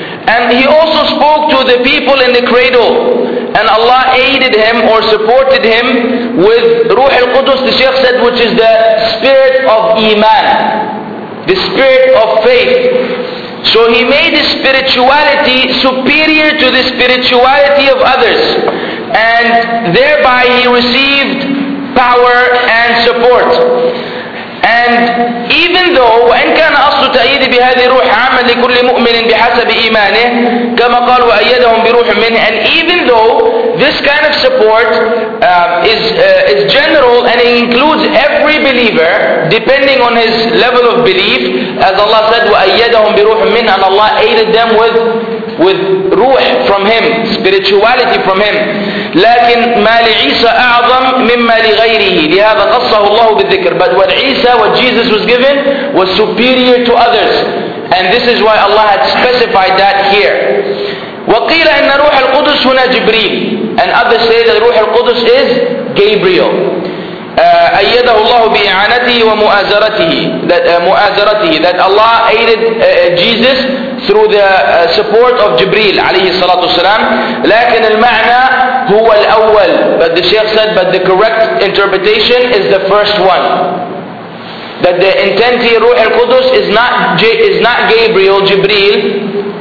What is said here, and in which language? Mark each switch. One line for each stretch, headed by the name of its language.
English: And he also spoke to the people in the cradle, and Allah aided him or supported him with Ruh al-Qudus, the Shaykh said, which is the spirit of Iman, the spirit of faith. So he made his spirituality superior to the spirituality of others, and thereby he received power and support. And even though
Arabic: وإن كان أصل تأييد بهذه الروح عاما لكل مؤمن بحسب إيمانه كما قال وأيدهم بروح منه.
English: And even though this kind of support is general and it includes every believer depending on his level of belief, as Allah said
Arabic: وأيدهم بروح منه,
English: and Allah aided them with روح from him, spirituality from him.
Arabic: لكن ما لعيسى أعظم مما لغيره, لهذا قصه الله بالذكر.
English: But what Isa, what Jesus was given, was superior to others, and this is why Allah had specified that here.
Arabic: وقيل أن روح القدس هنا جبريل,
English: and others say that روح القدس is Gabriel.
Arabic: أيده الله بإعانته ومؤازرته,
English: that Allah aided Jesus through the support of Jibril عليه الصلاة والسلام.
Arabic: لكن المعنى هو الأول.
English: But the Shaykh said, but the correct interpretation is the first one, that the intent here, روح القدس, is not Gabriel, Jibril.